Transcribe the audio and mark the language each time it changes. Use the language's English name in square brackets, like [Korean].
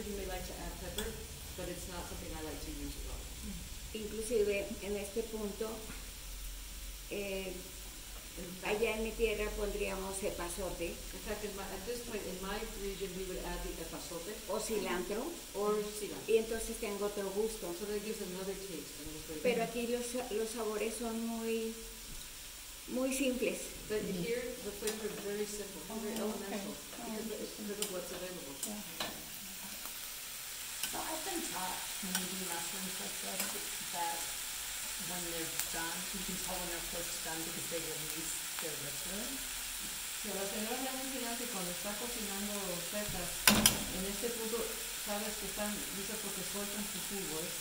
[English] You may like to add pepper, but it's not something I like to use a lot. [Spanish] Inclusive, en este punto, allá en mi tierra pondríamos epazote. [English] In fact, at this point, in my region, we would add the epazote. [Spanish] O cilantro. [English] Or cilantro. [Spanish] Y entonces tengo otro gusto. [English] So that gives another taste. [Spanish] Pero aquí los sabores son muy, muy simples. [English] But here, the flavor is very simple, very elemental. Because of what's available. Yeah. So I've been taught, maybe mushrooms like that, when they're done, you can tell when they're first done because they release their liquid. [Spanish] So la señora me ha mencionado que cuando está cocinando setas, en este punto sabes que están listas porque sueltan sus jugos.